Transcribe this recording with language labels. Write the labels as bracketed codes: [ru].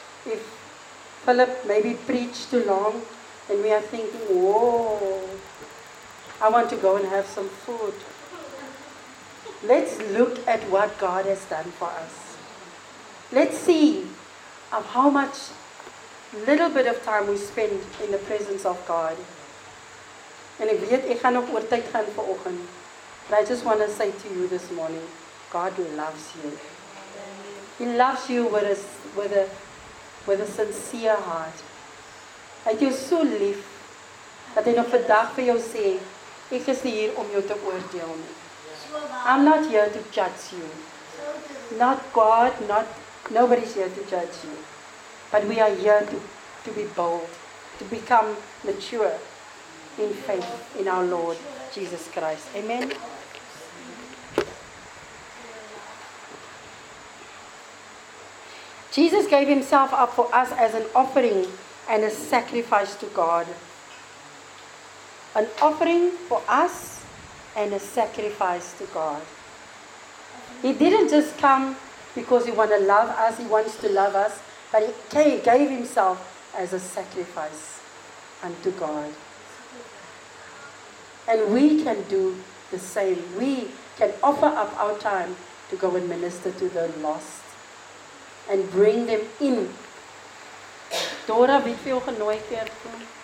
[en] If Philip maybe preached too long, and we are thinking, whoa, I want to go and have some food. Let's look at what God has done for us. Let's see of how much little bit of time we spend in the presence of God. [af] And ek weet, ek gaan ook oor tyd gaan vir oggend. [en] But I just want to say to you this morning, God loves you. He loves you with a sincere heart. [af] Hy is so lief, dat hy nog vandag vir jou sê, ek is hier om jou te oordeel nie. [en] I'm not here to judge you. Not God, not nobody's here to judge you. But we are here to be bold, to become mature in faith in our Lord Jesus Christ. Amen. Jesus gave Himself up for us as an offering and a sacrifice to God. An offering for us and a sacrifice to God. He didn't just come because He wants to love us, He wants to love us, but He gave Himself as a sacrifice unto God. And we can do the same. We can offer up our time to go and minister to the lost. And bring them in. [af] Dora, wie veel genooi keer kom?